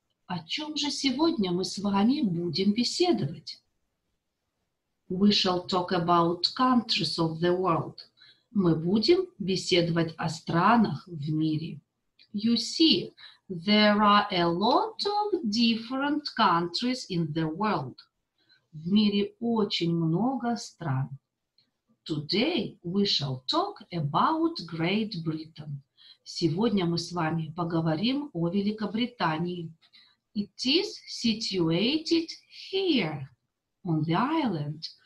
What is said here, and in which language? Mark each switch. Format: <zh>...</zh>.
<ru>О чем же сегодня мы с вами будем беседовать?</ru> <en>We shall talk about countries of the world.</en> <ru>Мы будем беседовать о странах в мире.</ru> <en>You see, there are a lot of different countries in the world.</en> <ru>В мире очень много стран.</ru> <en>Today we shall talk about Great Britain.</en> <ru>Сегодня мы с вами поговорим о Великобритании.</ru> <en>It is situated here, on the island.</en>